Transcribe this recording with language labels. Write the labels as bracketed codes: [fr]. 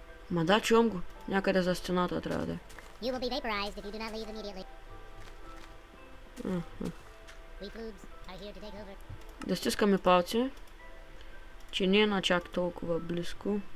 [bg] Ма да, чувам го. Някъде за стената трябва да е. [en] You will be vaporized if you do not leave immediately. We plugs are here to take over. [bg] Да стискаме палци, че не е на чак толкова близко.